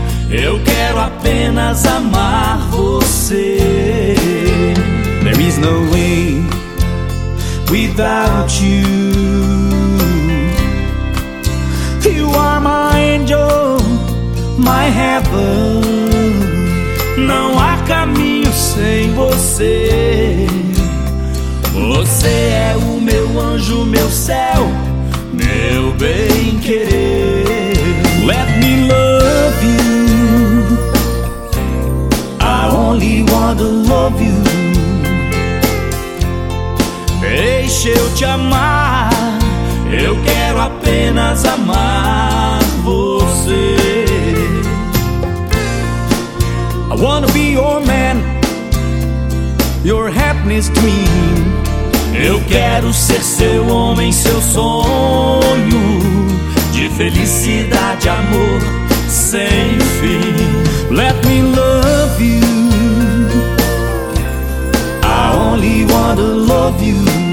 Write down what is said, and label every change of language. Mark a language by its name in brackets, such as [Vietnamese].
[Portuguese] Eu quero apenas amar você. [English] There is no way without you. You are my angel, my heaven. [Portuguese] Não há caminho sem você. Você é o meu anjo, meu céu, meu bem querer. [English] Let me love you. I only want to love you. [Portuguese] Deixa eu te amar. Eu quero apenas amar você. [English] I wanna be your man, your happiness dream. [Portuguese] Eu quero ser seu homem, seu sonho de felicidade, amor sem fim. [English] Let me love you. I only wanna love you.